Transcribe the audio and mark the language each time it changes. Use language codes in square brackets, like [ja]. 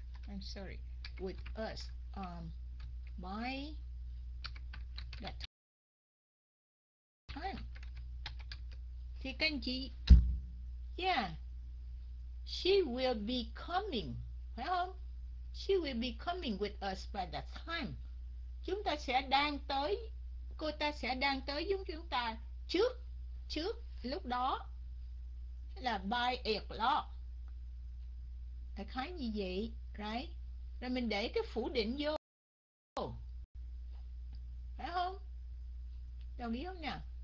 [en] I'm sorry. With us. By that time. [vi] Thì các anh chị, yeah, [en] she will be coming, [vi] phải không? [en] She will be coming with us by that time. [vi] Chúng ta sẽ đang tới, cô ta sẽ đang tới với chúng ta trước lúc đó là by 8 o'clock. Cái khái như vậy, right? Rồi mình để cái phủ định vô, phải không? Đồng ý không nè?